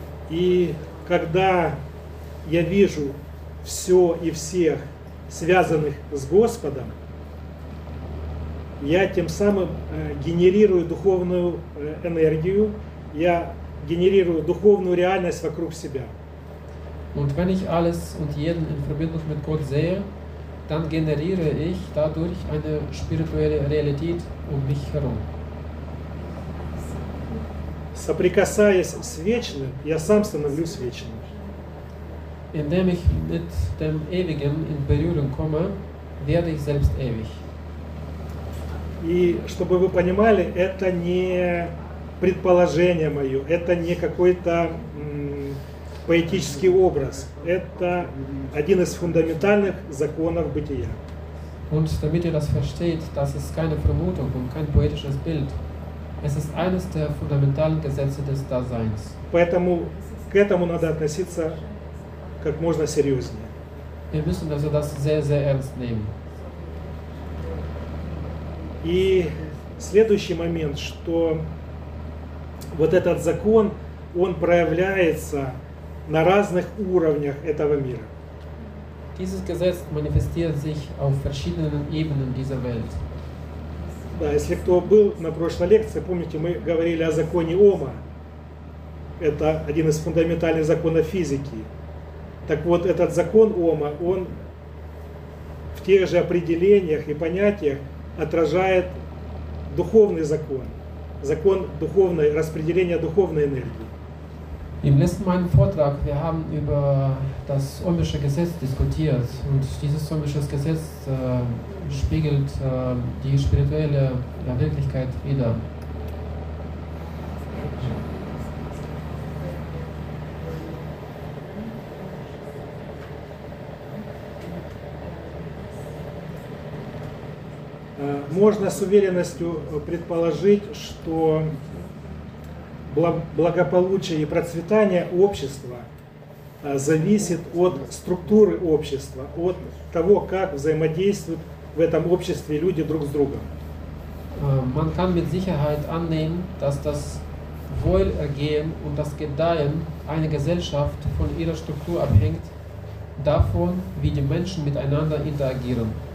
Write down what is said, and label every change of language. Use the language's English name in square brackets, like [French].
[Russian] И когда я вижу все и всех связанных с Господом, я тем самым генерирую духовную энергию, я генерирую духовную реальность вокруг себя. [German] Und wenn ich alles und jeden in Verbindung mit Gott sehe, dann generiere ich dadurch eine spirituelle Realität um mich herum. [Russian] Соприкасаясь с вечным, я сам становлюсь вечным. [German] Indem ich mit dem Ewigen in Berührung komme, werde ich selbst ewig. [Russian] И чтобы вы понимали, это не предположение мое, это не какой-то поэтический образ. Это один из фундаментальных законов бытия. [German] Und damit ihr das versteht, das ist keine Vermutung und kein poetisches Bild. Es ist eines der fundamentalen Gesetze des Daseins. [Russian] Поэтому к этому надо относиться как можно серьезнее. [German] Wir müssen also das sehr, sehr ernst nehmen. [Russian] И следующий момент, что вот этот закон, он проявляется на разных уровнях этого мира. [German] Dieses Gesetz manifestiert sich auf verschiedenen Ebenen dieser Welt. [Russian] Да, если кто был на прошлой лекции, помните, мы говорили о законе Ома. Это один из фундаментальных законов физики. Так вот, этот закон Ома, он в тех же определениях и понятиях отражает духовный закон. Закон духовной, распределения духовной энергии. [German] Im letzten meinen Vortrag, wir haben über das ohmische Gesetz diskutiert und dieses ohmische Gesetz spiegelt die spirituelle Wirklichkeit wider. [Russian] Можно с уверенностью предположить, что благополучие и процветание общества зависит от структуры общества, от того, как взаимодействуют в этом обществе люди друг с другом. [German] Man kann mit Sicherheit annehmen, dass das Wohlergehen und das Gedeihen einer Gesellschaft von ihrer Struktur abhängt, davon, wie die Menschen miteinander interagieren.